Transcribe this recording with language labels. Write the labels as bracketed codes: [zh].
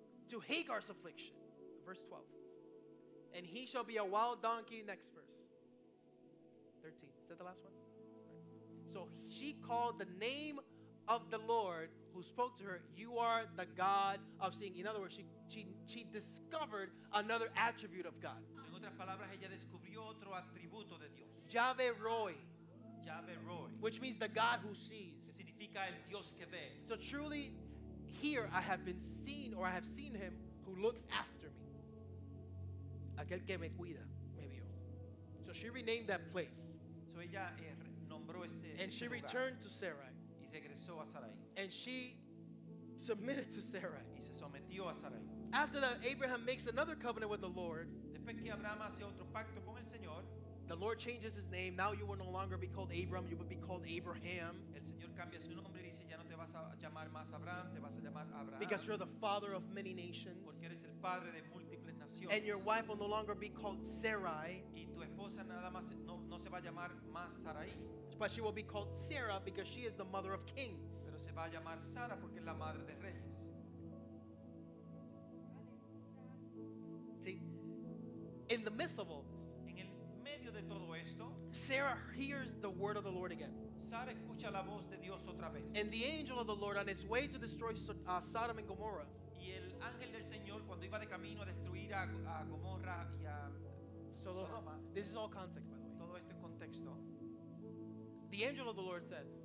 [en] To Hagar's affliction. Verse 12. And he shall be a wild donkey. Next verse. 13. Is that the last one? So she called the name of the Lord who spoke to her, you are the God of seeing. In other words, she discovered another attribute of God. [es] En otras palabras, ella descubrió otro atributo de Dios. [en] Yahweh Roi. [es] Yahweh Roi. [en] Which means the God who sees. [es] Que significa el Dios que ve. [en] So truly, here I have been seen, or I have seen him who looks after me. [es] Aquel que me cuida, me vio. [en] So she renamed that place. [es] So ella nombró ese [en] and she [es] lugar. [en] Returned to Sarai. [es] Y regresó a Sarai. [en] And she submitted to Sarai. [es] Y se sometió a Sarai. [en] After that, Abraham makes another covenant with the Lord. [es] Después que Abraham hace otro pacto con el Señor, [en] The Lord changes his name. Now you will no longer be called Abram, you will be called Abraham. [es] El Señor cambia su nombre y dice, ya no te vas a llamar más Abraham, te vas a llamar Abraham. [en] Because you're the father of many nations. [es] Porque eres el padre de múltiples naciones. [en] And your wife will no longer be called Sarai. [es] Y tu esposa nada más no se va a llamar más Sarai. [en] But she will be called Sarah because she is the mother of kings. [es] Pero se va a llamar Sara porque es la madre de reyes. [en] See, in the midst of all this, [es] en el medio de todo esto, [en] Sarah hears the word of the Lord again. [es] Sara escucha la voz de Dios otra vez. [en] And the angel of the Lord on his way to destroy Sodom and Gomorrah. [es] Y el ángel del Señor cuando iba de camino a destruir a Gomorra y a Sodoma. [en] This is all context, by the way. [es] Todo esto es contexto. [en] The angel of the Lord says,